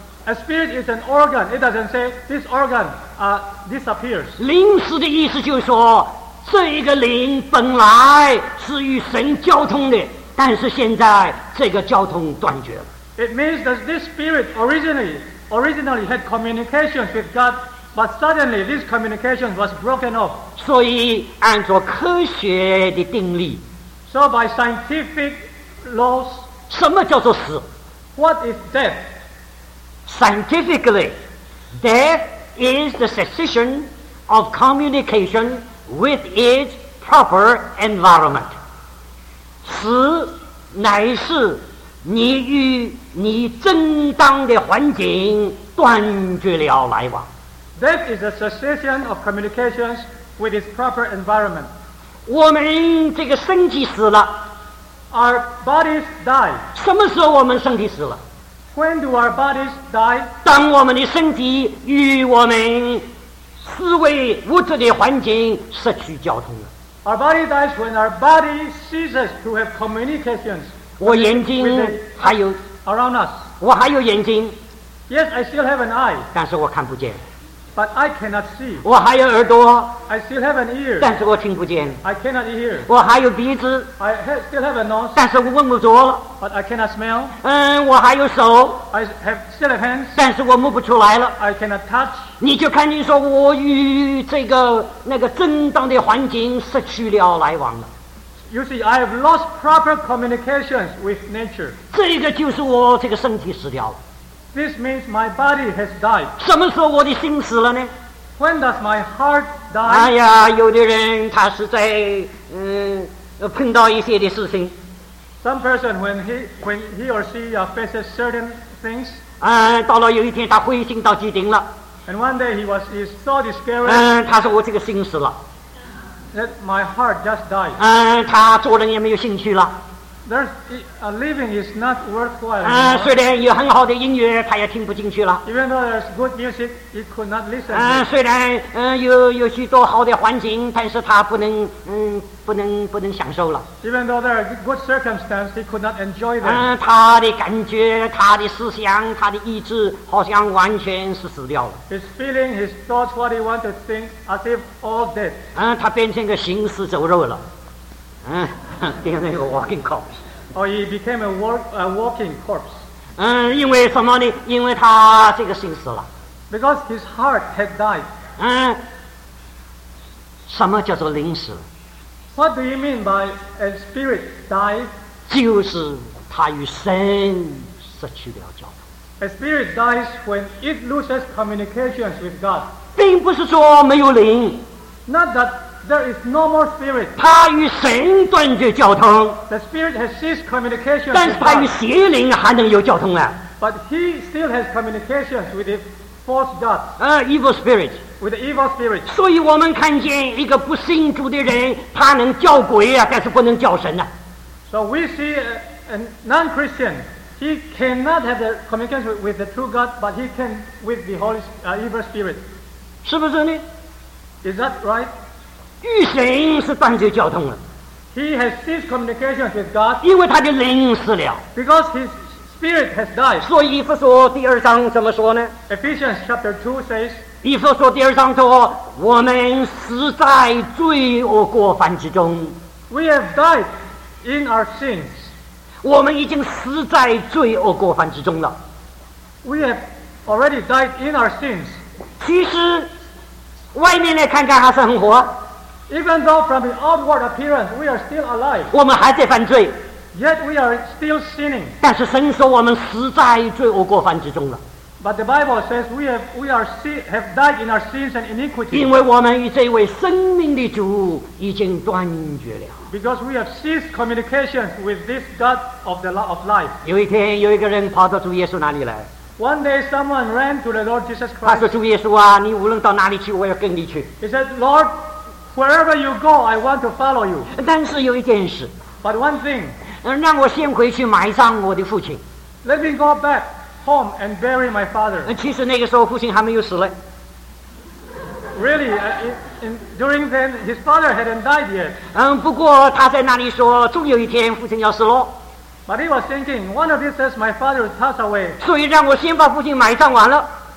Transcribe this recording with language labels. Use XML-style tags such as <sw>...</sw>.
<en>A spirit is an organ. It doesn't say this organ disappears.</en> <zh>临死的意思就是说，这一个灵本来是与神交通的，但是现在这个交通断绝了。</zh> <en>It means that this spirit originally had communications with God, but suddenly this communication was broken off.</en> <zh>所以按照科学的定律</zh> <en>，So by scientific laws,</en> <zh>什么叫做死</zh> <en>？What is death？ Scientifically, death is the cessation of communication with its proper environment.</en> <zh>死乃是你与你正当的环境断绝了来往。</zh> <en>Death is the cessation of communications with its proper environment.</en> <zh>我们这个身体死了。</zh> <en>our bodies die?</en> <zh>什么时候我们身体死了？</zh> <en>When do our bodies die?</en> <zh>当我们的身体与我们思维物质的环境失去交通了。</zh> <en>Our body dies when our body ceases to have communications.</en> <zh>我眼睛还有</zh> <en>around us.</en> <zh>我还有眼睛。</zh> <en>Yes, I still have an eye.</en> <zh>但是我看不见。</zh> <en>But I cannot see.</en> <zh>我还有耳朵。</zh> <en>I still have an ear.</en> <zh>但是我听不见。</zh> <en>I cannot hear.</en> <zh>我还有鼻子。</zh> <en>I still have a nose.</en> <zh>但是我闻不着。</zh> <en>But I cannot smell.</en> <zh>我还有手。</zh> <en>I have still have hands.</en> <zh>但是我摸不出来了。</zh> <en>I cannot touch.</en> <zh>你就看见说我与这个那个正当的环境失去了来往了。</zh> <en>You see, I have lost proper communications with nature.</en> <zh>这个就是我这个身体死掉了。</zh> <en>This means my body has died.</en> <zh>什么时候我的心死了呢？</zh> <en>When does my heart die?</en> <zh>哎呀，有的人他是在碰到一些的事情。</zh> <en>Some person when he or she faces certain things.</en> <zh>到了有一天他灰心到极顶了。</zh> <en>And one day his thought is scary.</en> <zh>他说我这个心死了。</zh> <en>That my heart just died.</en> <zh>他做人也没有兴趣了。</zh> <en>There's a living is not worthwhile.</en> <zh>虽然有很好的音乐，他也听不进去了。</zh> <en>Even though there's good music, he could not listen.</en> <zh>虽然有许多好的环境，但是他不能享受了。</zh> <en>Even though there are good circumstances, he could not enjoy them.</en> <zh>他的感觉、他的思想、他的意志，好像完全是死掉了。</zh> <en>His feeling, his thoughts, what he wanted to think, as if all dead.</en> <zh>他变成个行尸走肉了。变成一个</zh> <en>walking corpse. Or he became a walking corpse.</en> <zh>因为什么呢？因为他这个心死了。</zh> <en>Because his heart had died.</en> <zh>什么叫做灵死？</zh> <en>What do you mean by a spirit died?</en> <zh>就是他与神失去了交通。</zh> <en>A spirit dies when it loses communications with God.</en> <zh>并不是说没有灵。</zh> <en>Not that. There is no more spirit.</en> <zh>他与神断绝交通。</zh> <en>The spirit has ceased communication.</en> <zh>但是他与邪灵还能有交通啊。</zh> <en>But he still has communications with the false god. Evil spirit. With the evil spirit.</en> <zh>所以我们看见一个不信主的人，他能叫鬼啊，但是不能叫神啊。</zh> <en>So we see a non-Christian. He cannot have the communication with the true God, but he can with the holy evil spirit.</en> <zh>是不是呢？</zh> <en>Is that right?</en> <zh>与神是断绝交通了。</zh> <en>He has ceased communication with God.</en> <zh>因为他的灵死了。</zh> <en>Because his spirit has died.</en> <zh>所以以弗所第二章怎么说呢？</zh> <en>Ephesians chapter 2 says.</en> <zh>以弗所第二章说，我们死在罪恶过犯之中。</zh> <en>We have died in our sins.</en> <zh>我们已经死在罪恶过犯之中了。</zh> <en>We have already died in our sins.</en> <zh>其实，外面来看看还是很活。</zh> <en>Even though from the outward appearance, we are still alive.</en> <zh>我们还在犯罪。</zh> <en>Yet we are still sinning.</en> <zh>但是神说我们死在罪恶过犯之中了。</zh> <en>But the Bible says we have died in our sins and iniquity.</en> <zh>因为我们与这位生命的主已经断绝了。</zh> <en>Because we have ceased communication with this God of the law of life.</en> <zh>有一天有一个人跑到主耶稣那里来。</zh> <en>One day, someone ran to the Lord Jesus Christ.</en> <zh>他说：“主耶稣啊，你无论到哪里去，我要跟你去。”</zh> <en>He said, Lord. Wherever you go, I want to follow you.</en> <zh>但是有一件事。</zh> <en>But one thing.</en> <zh>让我先回去埋葬我的父亲。</zh> <en>Let me go back home and bury my father.</en> <zh>其实那个时候父亲还没有死嘞。</zh> <en>Really, during then, his father hadn't died yet.</en> <zh>不过他在那里说，终有一天父亲要死咯。</zh> <en>But he was thinking, one of these days my father will pass away.</en> <zh>所以让我先把父亲埋葬完了。</zh>